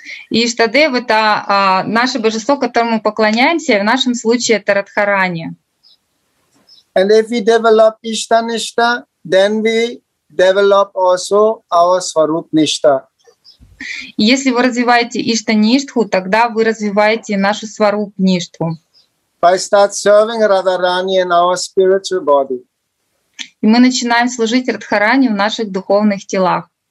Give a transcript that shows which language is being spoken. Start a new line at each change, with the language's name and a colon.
Russian: Иштадев — это наше божество, которому мы поклоняемся, в нашем случае это Радхарани.
English: And if we develop Иштаништа, then we develop also our Сварупништа.
Russian: Если вы развиваете Иштаништху, тогда вы развиваете нашу Сварупништху.
English: By start serving Radharani in our spiritual body.
Russian: И мы начинаем служить Радхарани в наших духовных телах.